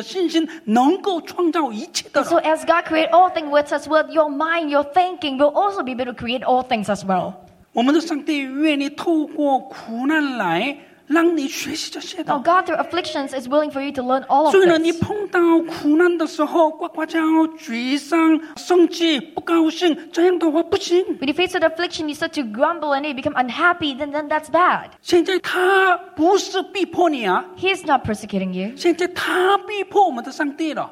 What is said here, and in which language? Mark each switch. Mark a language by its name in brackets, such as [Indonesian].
[Chinese] 所以上帝用他的话来创造一切的，同样的，你的思想、你的想法、你的信心，能够创造一切的。 [English] So as God created all things with us, with your mind, your thinking, will also be able to create all things as well. [Chinese] 我们的上帝愿意透过苦难来。 [English] Oh, God, through afflictions, is willing for you to learn all of this. [Chinese] 所以呢，你碰到苦难的时候，呱呱叫、沮丧、生气、不高兴，这样的话不行。 [English] When you face with affliction, you start to grumble and you become unhappy. Then that's bad. [Chinese] 现在他不是逼迫你啊。 [English] He is not persecuting you. [Chinese] 现在他逼迫我们的上帝了。